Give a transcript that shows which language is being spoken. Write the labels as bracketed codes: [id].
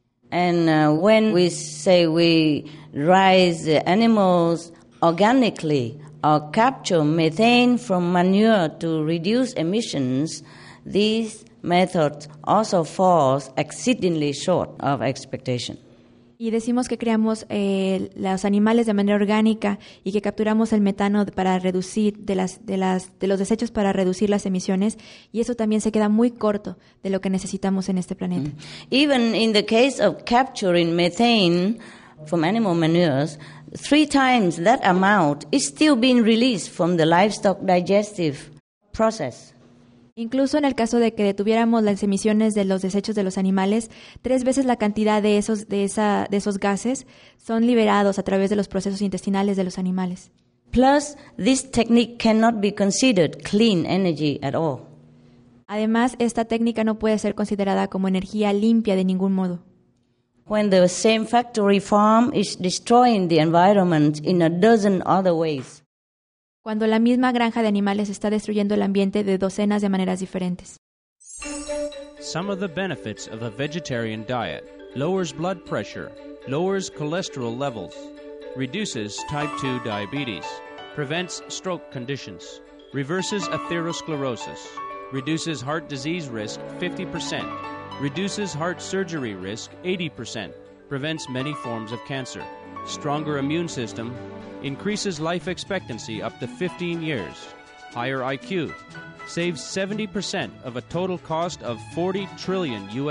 [en] And when we say we raise animals organically or capture methane from manure to reduce emissions, these methods also fall exceedingly short of expectation. [es] Y decimos que creamos los animales de manera orgánica y que capturamos el metano para reducir de los desechos para reducir las emisiones, y eso también se queda muy corto de lo que necesitamos en este planeta. [en] Even in the case of capturing methane from animal manures, 3 times that amount is still being released from the livestock digestive process. [es] Incluso en el caso de que detuviéramos las emisiones de los desechos de los animales, 3 veces la cantidad de esos gases son liberados a través de los procesos intestinales de los animales. [en] Plus, this technique cannot be considered clean energy at all. [es] Además, esta técnica no puede ser considerada como energía limpia de ningún modo. [en] When the same factory farm is destroying the environment in a dozen other ways. [es] Cuando la misma granja de animales está destruyendo el ambiente de docenas de maneras diferentes. [en] Some of the benefits of a vegetarian diet: lowers blood pressure, lowers cholesterol levels, reduces type 2 diabetes, prevents stroke conditions, reverses atherosclerosis, reduces heart disease risk 50%, reduces heart surgery risk 80%, prevents many forms of cancer, stronger immune system, increases life expectancy up to 15 years, higher IQ, saves 70% of a total cost of $40 trillion